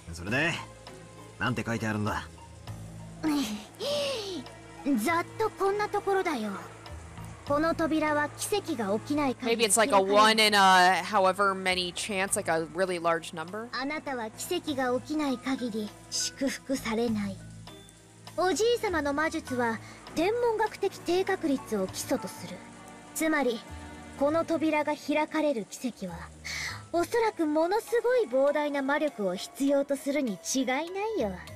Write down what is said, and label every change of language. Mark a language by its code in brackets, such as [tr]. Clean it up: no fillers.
[ja] それで、なんて書いてあるんだ。ざっとこんなところだよ。この扉は奇跡が起きないか。 [en] Maybe it's like a one in a however many chance, like a really large number. [ja] あなたは奇跡が起きない限り祝福されない。おじい様の魔術は天文学的低確率を基礎とする。つまりこの扉が開かれる奇跡はおそらくものすごい膨大な魔力を必要とするに違いないよ。